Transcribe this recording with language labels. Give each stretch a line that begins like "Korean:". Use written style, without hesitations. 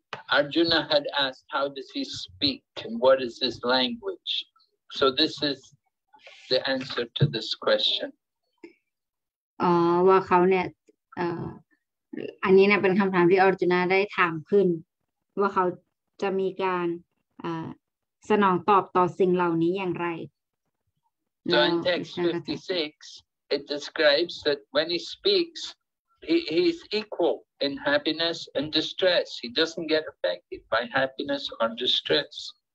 English: Arjuna had asked, how does he speak and what is his language? So this is the answer to this question.
Thai: ว่าเขาเนี่ยอันนี้เนี่ยเป็นคำถามที่อัร์จุนะได้ถามขึ้นว่าเขาจะมีการสนองตอบต่อสิ่งเหล่านี้อย่างไร
English: So in text 56, it describes that when he speaks, he is equal in happiness and distress. He doesn't get affected by happiness or distress.